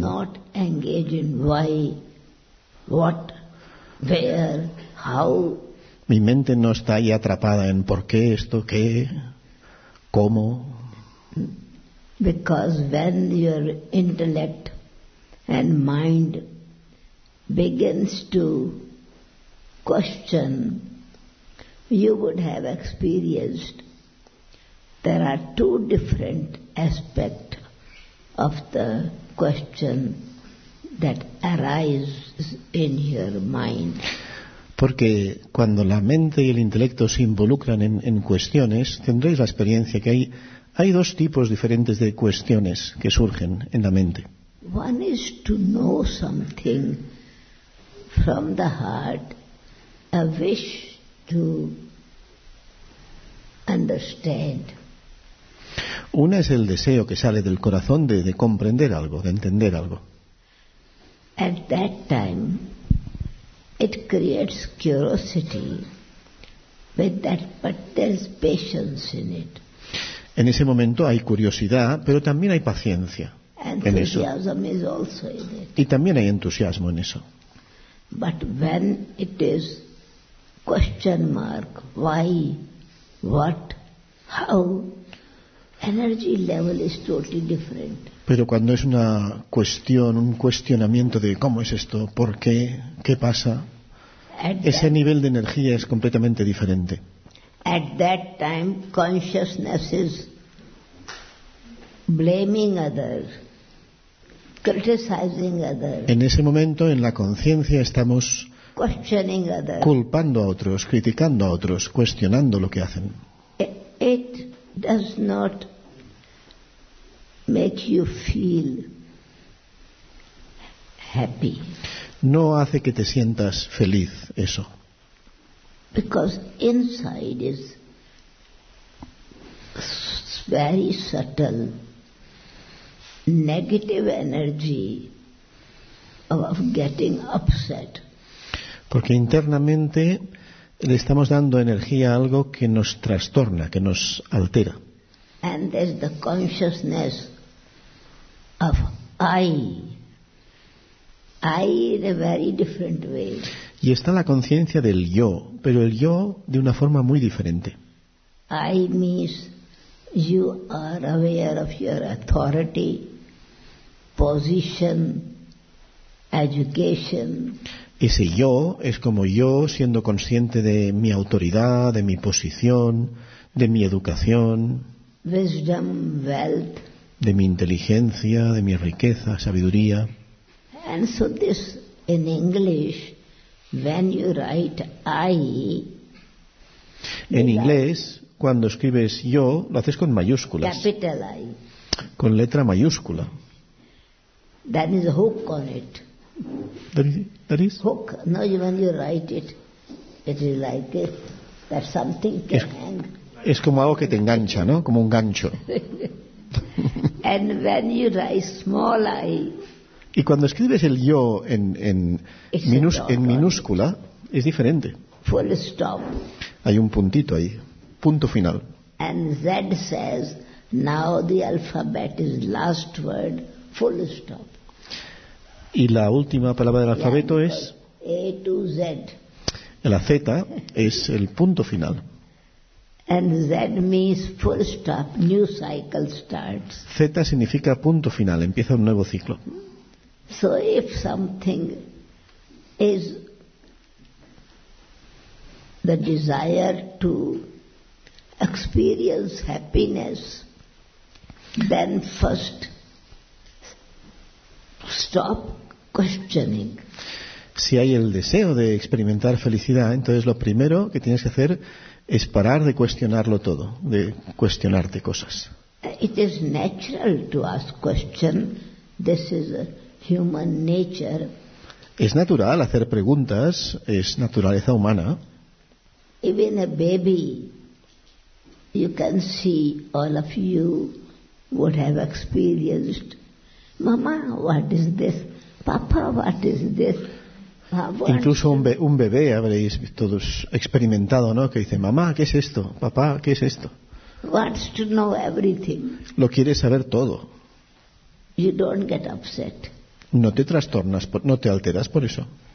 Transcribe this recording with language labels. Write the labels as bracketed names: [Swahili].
[English] Is not engaged in why, what, where, how. [Spanish] Mi mente no está ahí atrapada en por qué esto, qué, cómo. [English] Because when your intellect and mind begins to question, you would have experienced there are two different aspects of the question that arises in your mind. [Spanish] Porque cuando la mente y el intelecto se involucran en cuestiones, tendréis la experiencia que hay dos tipos diferentes de cuestiones que surgen en la mente. [English] One is to know something from the heart, a wish to understand. [Spanish] Una es el deseo que sale del corazón de comprender algo, de entender algo. [English] At that time, it creates curiosity, with that, but there's patience in it. [Spanish] En ese momento hay curiosidad, pero también hay paciencia. [English] Enthusiasm [Spanish] en eso. [English] Is also in it. [Spanish] Y también hay entusiasmo en eso. [English] But when it is question mark, why, what, how, energy level is totally different. [Spanish] Pero cuando es una cuestión, un cuestionamiento de cómo es esto, por qué, qué pasa, ese nivel de energía es completamente diferente. [English] At that time, consciousness is blaming others, criticizing others. [Spanish] En ese momento, en la conciencia, estamos [English] questioning others, [Spanish] culpando a otros, criticando a otros, cuestionando lo que hacen. [English] It does not make you feel happy. [Spanish] No hace que te sientas feliz eso. [English] Because inside is very subtle negative energy of getting upset. [Spanish] Porque internamente le estamos dando energía a algo que nos trastorna, que nos altera. [English] And there's the consciousness of I. I in a very different way. [Spanish] Y está la conciencia del yo, pero el yo de una forma muy diferente. [English] I means you are aware of your authority, position, education. [Spanish] Ese yo es como yo siendo consciente de mi autoridad, de mi posición, de mi educación. [English] Wisdom, wealth. [Spanish] De mi inteligencia, de mi riqueza, sabiduría. [English] And so this, in English, when you write I, [Spanish] en inglés, cuando escribes yo, lo haces con mayúsculas. [English] Capital I. [Spanish] Con letra mayúscula. [English] That is a hook on it. That is? Hook. No, when you write it, it is like it, that something can es, hang. [Spanish] Es como algo que te engancha, ¿no? Como un gancho. [English] And when you write small I, [Spanish] y cuando escribes el yo en minúscula, es diferente. [English] Full stop. [Spanish] Hay un puntito ahí, punto final. [English] And Z says, now the alphabet is last word, full stop. [Spanish] Y la última palabra del alfabeto es [English] A to Z. [Spanish] La Z es el punto final. [English] And Z means full stop, new cycle starts. [Spanish] Z significa punto final, empieza un nuevo ciclo. [English] So if something is the desire to experience happiness, then first stop questioning. [Spanish] Si hay el deseo de experimentar felicidad, entonces lo primero que tienes que hacer es parar de cuestionarlo todo, de cuestionarte cosas. [English] It is natural to ask questions. This is a human nature. [Spanish] Es natural hacer preguntas, es naturaleza humana. [English] Even a baby, you can see all of you would have experienced. Mama, what is this? Papa, what is this? [Spanish] Incluso un bebé habréis todos experimentado, ¿no? Que dice, mamá, ¿qué es esto? Papá, ¿qué es esto? [English] Wants to know everything. [Spanish] Lo quiere saber todo. [English] You don't get upset. [Spanish] No te trastornas, no te alteras por eso.